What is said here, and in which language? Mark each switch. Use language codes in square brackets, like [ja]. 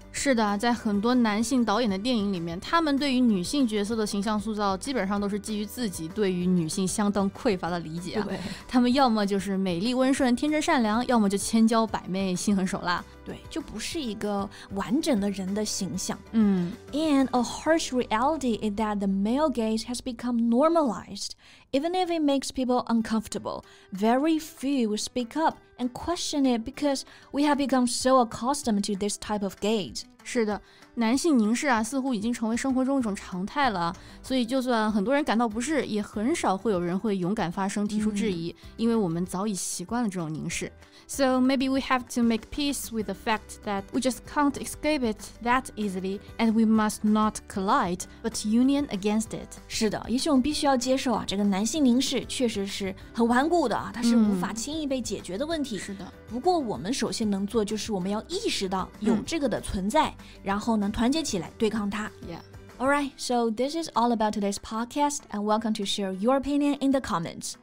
[zh] 是的，在很多男性导演的电影里面，他们对于女性角色的形象塑造基本上都是基于自己对于女性相当匮乏的理解。对。他们要么就是美丽温顺、天真善良，要么就千娇百媚、心狠手辣。对，就不是一个完整的人的形象。嗯。 [en] And a harsh reality is that the male gaze has become normalized. Even if it makes people uncomfortable, very few speak up and question it because we have become so accustomed to this type of gaze. [zh] 是的，男性凝视啊，似乎已经成为生活中一种常态了。所以就算很多人感到不适，也很少会有人会勇敢发声提出质疑、嗯、因为我们早已习惯了这种凝视。 [en] So maybe we have to make peace with the fact that we just can't escape it that easily and we must not collide, but union against it. [zh] 是的，也许我们必须要接受啊，这个男性凝视确实是很顽固的，它是无法轻易被解决的问题。是的，不过我们首先能做就是我们要意识到有这个的存在、嗯、然后呢团结起来对抗它。 [en] Yeah. Alright, so this is all about today's podcast and welcome to share your opinion in the comments.